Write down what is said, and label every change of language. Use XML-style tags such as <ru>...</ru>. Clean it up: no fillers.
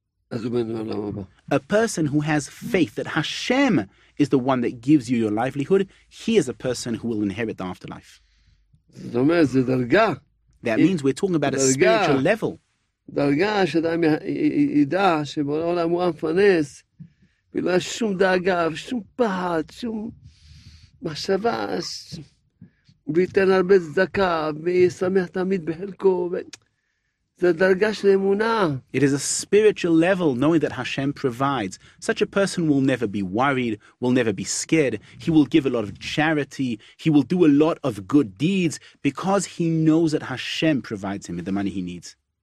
<en>A person who has faith that Hashem is the one that gives you your livelihood, he is a person who will inherit the afterlife. That means we're talking about a spiritual level.</en> <he>דרגה שאדם ידע שבעולם הוא המפרנס ולא יש שום דאגה ושום פחד, שום מחשבה וייתן הרבה צדקה וישמח תמיד בחלקו זה דרגה של אמונה.</he> <en>It is a spiritual level knowing that Hashem provides. Such a person will never be worried, will never be scared. He will give a lot of charity. He will do a lot of good deeds because he knows that Hashem provides him with the money he needs.</en>